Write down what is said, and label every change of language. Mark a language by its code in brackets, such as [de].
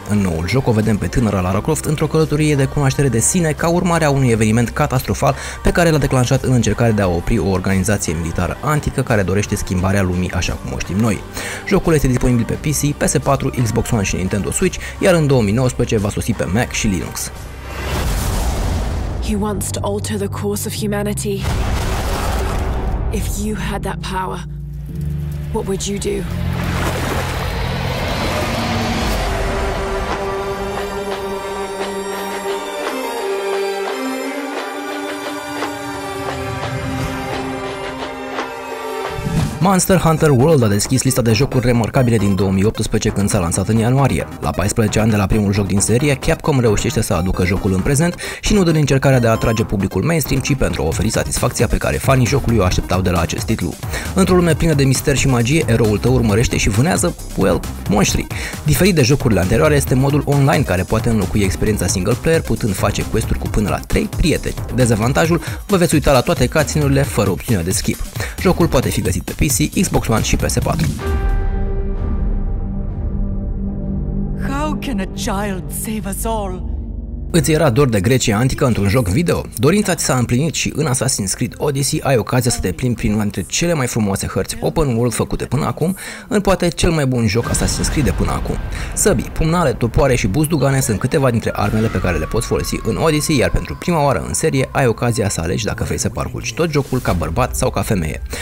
[ro] În noul joc o vedem pe tânăra Lara Croft într-o călătorie de cunoaștere de sine ca urmare a unui eveniment catastrofal pe care l-a declanșat în încercare de a opri o organizație militară antică care dorește schimbarea lumii așa cum o știm noi. Jocul este disponibil pe PC, PS4, Xbox One și Nintendo Switch, iar în 2019 va sosi pe Mac și Linux. [en] He wants to alter the course of humanity. If you had that power, what would you do? [ro] Monster Hunter World a deschis lista de jocuri remarcabile din 2018 când s-a lansat în ianuarie. La 14 ani de la primul joc din serie, Capcom reușește să aducă jocul în prezent și nu din încercarea de a atrage publicul mainstream, ci pentru a oferi satisfacția pe care fanii jocului o așteptau de la acest titlu. Într-o lume plină de mister și magie, eroul tău urmărește și vânează, well, monștri. Diferit de jocurile anterioare, este modul online care poate înlocui experiența single player, putând face quest-uri cu până la 3 prieteni. Dezavantajul, vă veți uita la toate cutscene-urile fără opțiunea de skip. Jocul poate fi găsit pe PC, Xbox One și PS4. [en] How can a child save us all? [ro] Îți era dor de Grecia antică într-un joc video? Dorința ți s-a împlinit și în Assassin's Creed Odyssey ai ocazia să te plimbi prin una dintre cele mai frumoase hărți open world făcute până acum, în poate cel mai bun joc Assassin's Creed de până acum. Săbii, pumnale, topoare și buzdugane sunt câteva dintre armele pe care le poți folosi în Odyssey, iar pentru prima oară în serie ai ocazia să alegi dacă vrei să parcurgi tot jocul ca bărbat sau ca femeie.